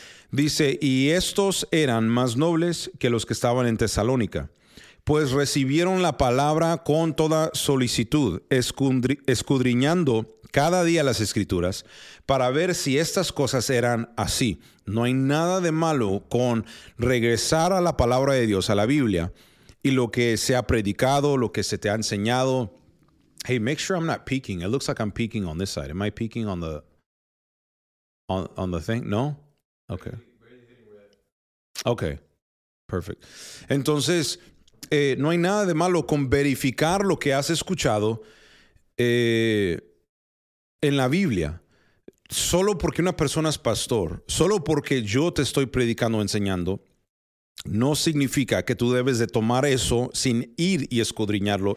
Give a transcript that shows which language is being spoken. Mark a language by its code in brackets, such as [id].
[es] Dice, y estos eran más nobles que los que estaban en Tesalónica, pues recibieron la palabra con toda solicitud, escudriñando cada día las escrituras para ver si estas cosas eran así. No hay nada de malo con regresar a la palabra de Dios, a la Biblia, y lo que se ha predicado, lo que se te ha enseñado. [en] Hey, make sure I'm not peeking. It looks like I'm peeking on this side. Am I peeking on the thing? No. Okay. Perfect. [es] Entonces, no hay nada de malo con verificar lo que has escuchado en la Biblia. Solo porque una persona es pastor, solo porque yo te estoy predicando o enseñando, no significa que tú debes de tomar eso sin ir y escudriñarlo.